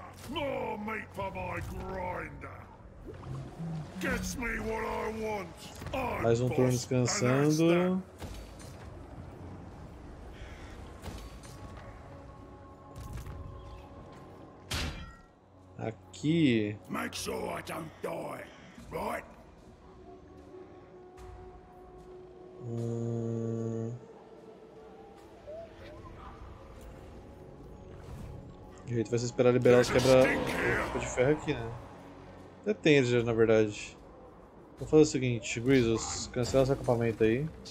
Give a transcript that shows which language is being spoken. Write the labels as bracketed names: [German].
[English] More meat for my grinder. Gets me what I want. [Portuguese] Mais um turno descansando. Aqui. [English] Make sure I don't die, right? [Portuguese] O jeito vai ser esperar liberar os quebra de ferro aqui, né? Até tem eles já, na verdade. Vou fazer o seguinte, Grizzles, cancela esse acampamento aí.